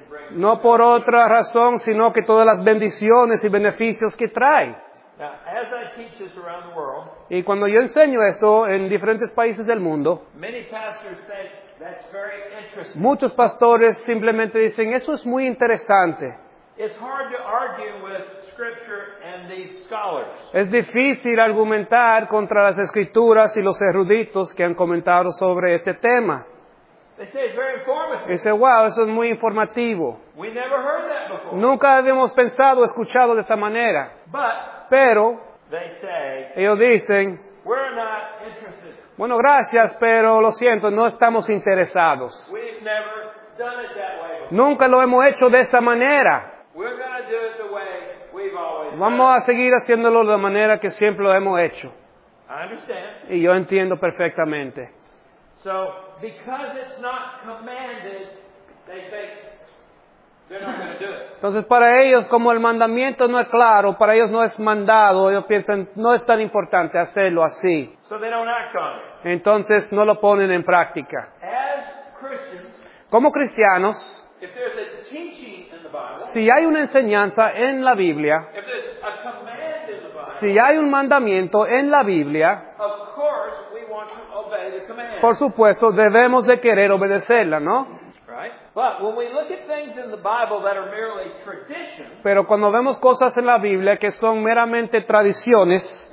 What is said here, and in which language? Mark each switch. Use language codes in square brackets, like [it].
[es] No por otra razón, sino que todas las bendiciones y beneficios que trae. [en] Now, as I teach this around the world, [es] y cuando yo enseño esto en diferentes países del mundo, [en] many pastors think that's very interesting. [es] Muchos pastores simplemente dicen, eso es muy interesante. [en] It's hard to argue with scripture and these scholars. [es] Es difícil argumentar contra las escrituras y los eruditos que han comentado sobre este tema. [en] They say it's very informative. [es] Dice, wow, eso es muy informativo. [en] We never heard that before. [es] Nunca habíamos pensado o escuchado de esta manera. Pero, [en] they say, [es] ellos dicen, [en] we're not interested. [es] Bueno, gracias, pero lo siento, no estamos interesados. [en] We've never done it that way. [es] Nunca lo hemos hecho de esa manera. [en] We're gonna do it the way we've always [es] vamos [en] done. [es] A seguir haciéndolo de la manera que siempre lo hemos hecho. [en] I understand. [es] Y yo entiendo perfectamente. [en] So, because it's not commanded, they think they're not going to do it. [es] Entonces, para ellos, como el mandamiento no es claro, para ellos no es mandado, ellos piensan, no es tan importante hacerlo así. [en] So they don't act on it. [es] Entonces, no lo ponen en práctica. [en] As Christians, [es] como cristianos, [en] if there's a teaching in the Bible, [es] si hay una enseñanza en la Biblia, [en] if there's a command in the Bible, [es] si hay un mandamiento en la Biblia, [en] of course we want to obey the command. [es] Por supuesto, debemos de querer obedecerla, ¿no? [en] But when we look at things in the Bible that are merely traditions, [es] pero cuando vemos cosas en la Biblia que son meramente tradiciones,